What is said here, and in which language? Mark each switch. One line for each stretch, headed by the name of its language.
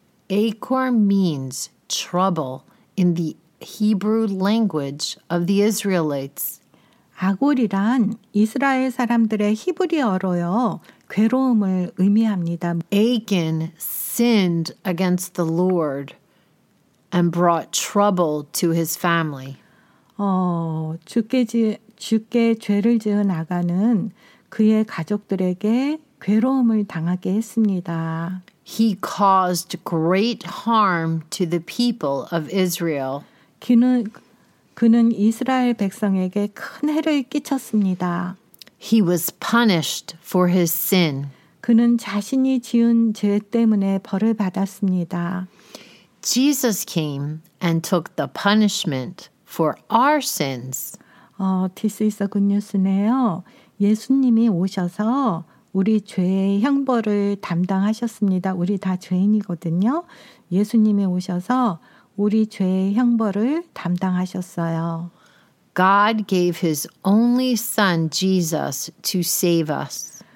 English: Achor means trouble in the Hebrew language of the Israelites.
Korean: 아골이란 이스라엘 사람들의 히브리어로요. 괴로움을 의미합니다.
English: Achan sinned against the Lord and brought trouble to his family.
Korean: 주께 죄를 지은 아간은 그의 가족들에게 괴로움을 당하게 했습니다.
English: He caused great harm to the people of Israel.
Korean: 그는 이스라엘 백성에게 큰 해를 끼쳤습니다.
English: He was punished for his sin.
Korean: 그는 자신이 지은 죄 때문에 벌을 받았습니다.
English: Jesus came and took the punishment for our sins. This is a good news네요.
Korean: 예수님이 오셔서 우리 죄의 형벌을 담당하셨습니다. 우리 다 죄인이거든요. 예수님이 오셔서 우리 죄의 형벌을 담당하셨어요.
English: God gave his only son Jesus to save us.